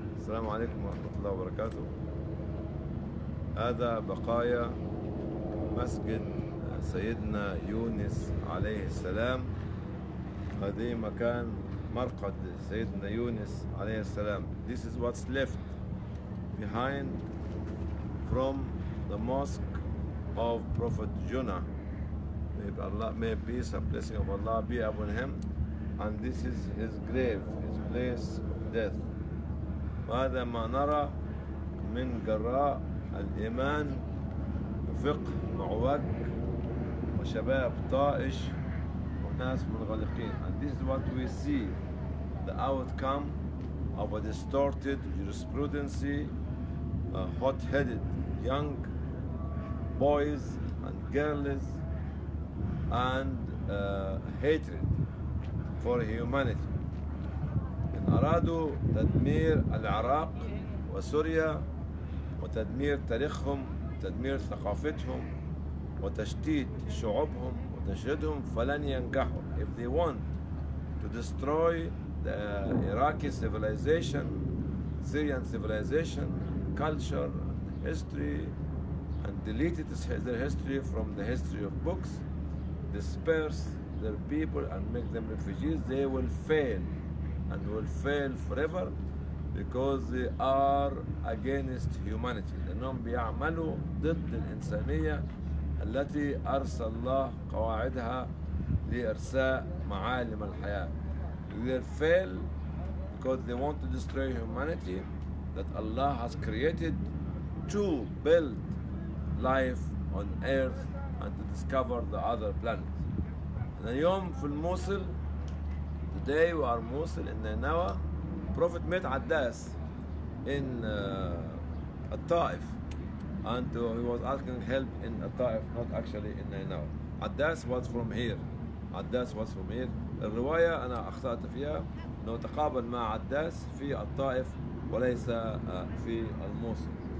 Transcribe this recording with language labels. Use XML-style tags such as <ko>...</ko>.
<ar>السلام عليكم ورحمة الله وبركاته. هذا بقايا مسجد سيدنا يونس عليه السلام. هذه مكان مرقد سيدنا يونس عليه السلام.</ar> <en>This is what's left behind from the mosque of Prophet Jonah. May peace and blessing of Allah be upon him. And this is his grave, his place of death.</en> <ar>وهذا ما نرى من جراء الإيمان وفقه معوج وشباب طائش وناس منغلقين.</ar> <en>And this is what we see, the outcome of a distorted jurisprudency, hot-headed young boys and girls and hatred for humanity.</en> <ar>أرادوا تدمير العراق وسوريا وتدمير تاريخهم وتدمير ثقافتهم وتشتيت شعوبهم وتشردهم فلن ينجحوا.</ar> <en>If they want to destroy the Iraqi civilization, Syrian civilization, culture, and history, and delete their history from the history of books, disperse their people and make them refugees, they will fail. And will fail forever because they are against humanity.</en> <ar>لأنهم بيعملوا ضد الإنسانية التي أرسل الله قواعدها لإرساء معالم الحياة.</ar> <en>They fail because they want to destroy humanity that Allah has created to build life on earth and to discover the other planet.</en> <ar>اليوم في</ar> <en>الموصل today we are Mosul in Nineveh. Prophet met Adas in Taif, and he was asking help in Taif, not actually in Nineveh. Adas was from here. Adas was from here.</en> <ar>الرواية أنا أخطأت فيها. إنه تقابل مع عداس في الطائف وليس في الموصل.</ar>